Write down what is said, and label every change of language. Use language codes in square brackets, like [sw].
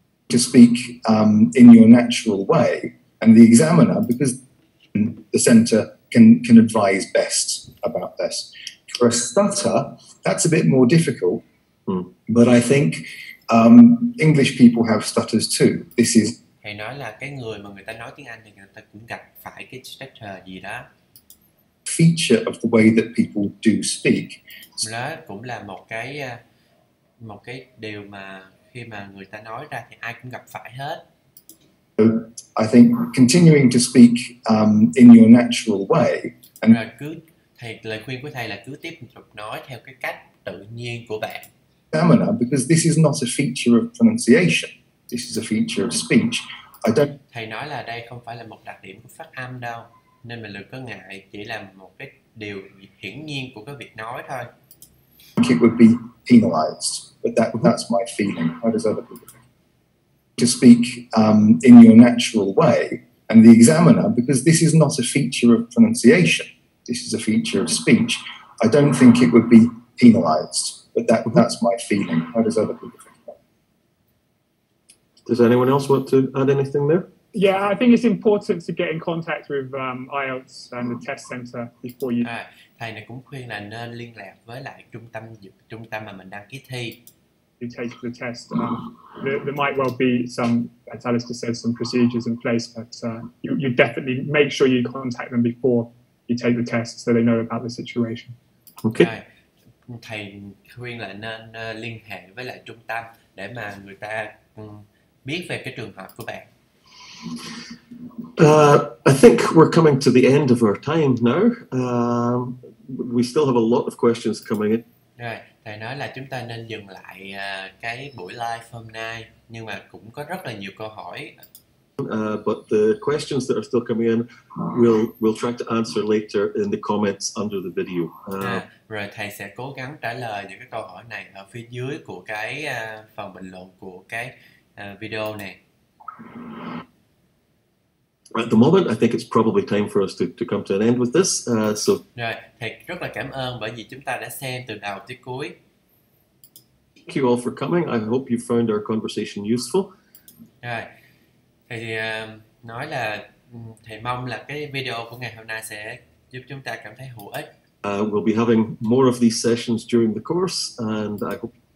[en] To speak in your natural way and the examiner, because the center can advise best about this. For a stutter, that's a bit more difficult, but I think English people have stutters too. This is... [vi] Thầy nói là cái người mà người ta nói tiếng Anh thì người ta cũng gặp phải cái stutter gì đó. [en] Feature of the way that people do speak. [vi] Đó cũng là một cái điều mà khi mà người ta nói ra thì ai cũng gặp phải hết. [en] I think continuing to speak in your natural way. [vi] And lời khuyên của thầy là cứ tiếp tục nói theo cái cách tự nhiên của bạn. [en] Stamina, because this is not a feature of pronunciation. This is a feature of speech. I don't. [vi] Thầy nói là đây không phải là một đặc điểm của phát âm đâu, nên mình đừng có ngại, chỉ là một cái điều hiển nhiên của cái việc nói thôi. [en] It would be penalized, but that's my feeling. How does other people? To speak in your natural way, and the examiner, because this is not a feature of pronunciation, this is a feature of speech, I don't think it would be penalized, but that's my feeling. How does other people think about it? Does anyone else want to add anything there? Yeah, I think it's important to get in contact with IELTS and the test center before you... [vi] Thầy này cũng khuyên là nên liên lạc với lại trung tâm mà mình đăng ký thi. [en] You take the test. There might well be some, as Alistair says, some procedures in place, but you definitely make sure you contact them before you take the test so they know about the situation. Okay. [vi] Thầy khuyên là nên liên hệ với lại trung tâm để mà người ta biết về cái trường hợp của bạn. [en] I think we're coming to the end of our time now. We still have a lot of questions coming in. Right. [vi] Thầy nói là chúng ta nên dừng lại cái buổi live hôm nay, nhưng mà cũng có rất là nhiều câu hỏi. [en] But the questions that are still coming in, we'll try to answer later in the comments under the video. [vi] Rồi thầy sẽ cố gắng trả lời những cái câu hỏi này ở phía dưới của cái phần bình luận của cái video này. [en] At the moment, I think it's probably time for us to come to an end with this. So. Right. [vi] Thầy rất là cảm ơn bởi vì chúng ta đã xem từ đầu tới cuối. [en] Thank you all for coming. I hope you found our conversation useful. Right. [vi] Thầy nói là thầy mong là cái video của ngày hôm nay sẽ giúp chúng ta cảm thấy hữu ích. [en] We'll be having more of these sessions during the course, and I hope